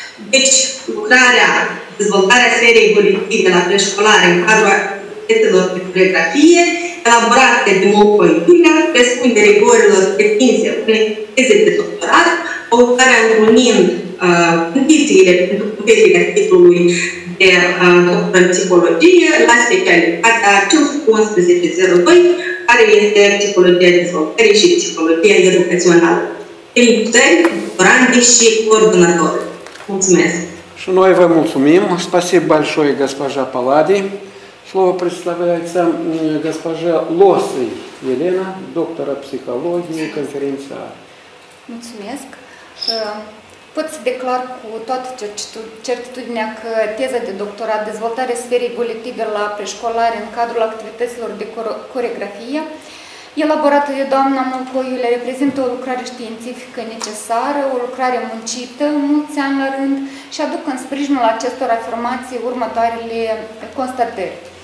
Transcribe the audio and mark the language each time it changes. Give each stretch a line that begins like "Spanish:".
Romanian: Deci, lucrarea, dezvoltarea sferei evolutive la preșcolare în cadrul testelor de coreografie, elaborate de Mulco Iulia, răspunde rigorilor pretinse unei teze de doctorat, căutarea urmând condițiile pentru competirea titlului de doctor în psihologie la specialitatea 511-02, care este psihologia dezvoltării și psihologia educațională. Felicitări, doctorandii și coordonatori. Mulțumesc! Și noi vă mulțumim.
Russian: Spasibo большое, госпожа Палади. Слово представляется госпожа Лосы Елена, доктора психологии, конференция.
Romanian: Mulțumesc! Pot să declar cu toată certitudinea că teza de doctorat dezvoltarea sferei volitive la preșcolare în cadrul activităților de coreografie, elaborată de doamna Mulco Iulia, reprezintă o lucrare științifică necesară, o lucrare muncită mulți ani la rând și aduc în sprijinul acestor afirmații următoarele constatări.